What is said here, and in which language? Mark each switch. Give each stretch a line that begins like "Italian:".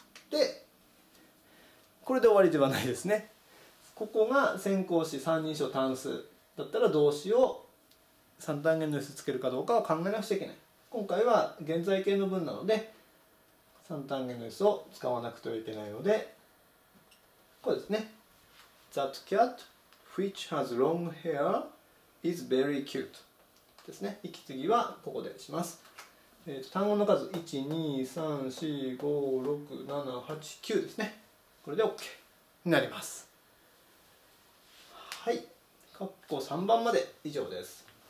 Japanese: で、これで終わりではないですね。ここが先行詞三人称単数だったら動詞を三単元の S つけるかどうかは考えなくちゃいけない。今回は現在形の文なので三単元の S を使わなくてはいけないのでこうですね。
English: That cat which has long hair is very cute
Japanese: ですね。息継ぎはここでします。単語の数 1,2,3,4,5,6,7,8,9 ですね。これで OK になります。はい、括弧3番まで以上です。